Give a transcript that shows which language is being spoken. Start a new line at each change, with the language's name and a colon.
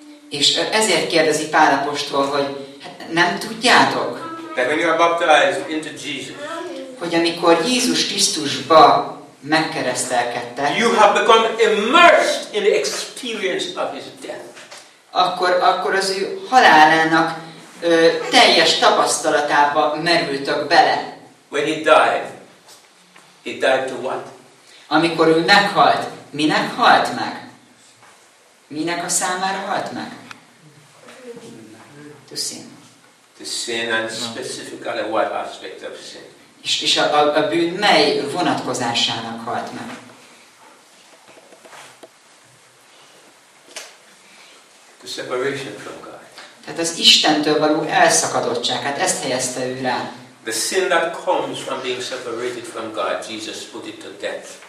Hungarian: És ezért kérdezi Pál apostol, hogy nem tudjátok?
English: That when you are baptized into Jesus,
Hungarian: hogy amikor Jézus Krisztusba megkeresztelkedtek,
English: you have become immersed in the experience of his death.
Hungarian: Akkor az ő halálának teljes tapasztalatába merültök bele.
English: When he died to what?
Hungarian: Amikor ő meghalt, minek halt meg? Minek a számára halt meg?
English: To sin. To sin and specifically what aspect of sin?
Hungarian: És a bűn mely vonatkozásának halt meg?
English: The separation from God.
Hungarian: Tehát az Istentől való elszakadottság, hát ezt helyezte ő rá.
English: The sin that comes from being separated from God, Jesus put it to death.